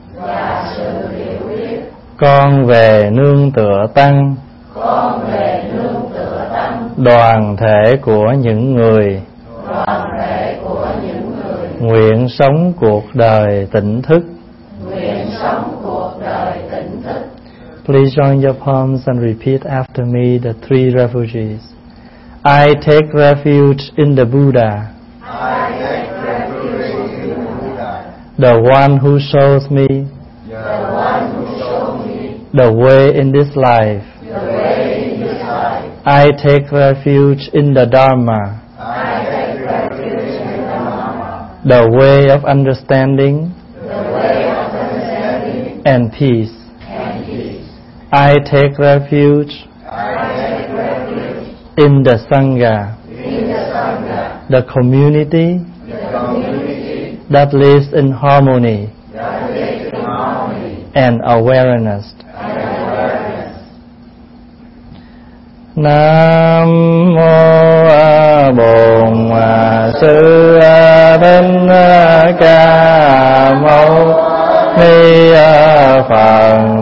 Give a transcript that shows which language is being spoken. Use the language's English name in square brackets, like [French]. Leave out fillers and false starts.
[Vietnamese] Và sự hiểu biết. Con về nương tựa Tăng. Con về nương tựa Tăng. Đoàn thể của những người. Đoàn thể của những người. Nguyện sống cuộc đời tỉnh thức. [English] Please join your palms and repeat after me the three refuges. I take refuge in the Buddha. I take refuge in the Buddha. The one who shows me. The one who shows me. The way in this life. The way in this life. I take refuge in the Dharma. I take refuge in the Dharma. The way of understanding. The way of understanding. And peace. I take refuge in the Sangha, the community that lives in harmony and awareness. [Vietnamese] Nam mô Bổn Sư Thích Ca Mâu Ni Phật.